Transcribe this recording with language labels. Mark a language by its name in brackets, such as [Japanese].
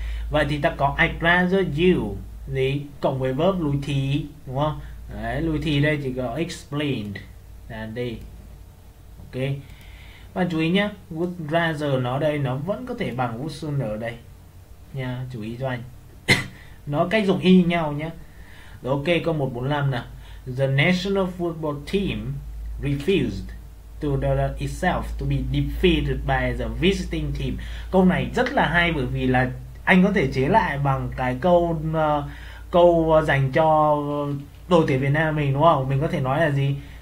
[Vietnamese] Vậy thì ta có [English] I'd rather you [Vietnamese] gì cộng với verb lùi thì đúng không? Đấy, lùi thì đây chỉ có explained là đi. Ok. Bạn chú ý nhé, would rather nó đây nó vẫn có thể bằng would sooner ở đây nha, chú ý cho anh. Nó cách dùng y như nhau nhé. Rồi ok, câu 145 nè: [English] The national football team refused to itself to be defeated by the visiting team. [Vietnamese] Câu này rất là hay bởi vì là anh có thể chế lại bằng cái câu câu dành cho đội tuyển Việt Nam mình đúng không? Mình có thể nói là gì?